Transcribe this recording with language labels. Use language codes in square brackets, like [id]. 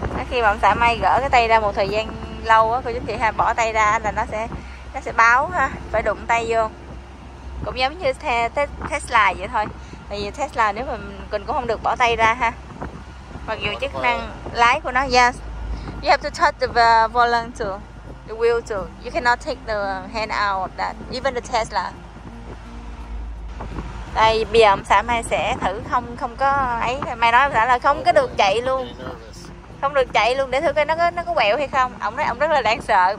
[vi] Khi mà ông xã Mai gỡ cái tay ra một thời gian lâu á, cô chú chị ha, bỏ tay ra là nó sẽ báo ha, phải đụng tay vô. Cũng giống như Tesla vậy thôi. Tại vì Tesla nếu mà mình cũng không được bỏ tay ra ha. Mặc dù chức năng lái của nó, [en] yes. You have to touch the volant too, the wheel too. You cannot take the hand out that, even the Tesla. [vi] Đây, bây giờ ông xã Mai sẽ thử không có ấy. Mai nói ông xã là không có được chạy luôn. Không được chạy luôn để thử coi nó có quẹo hay không. Ông nói ông rất là đáng sợ.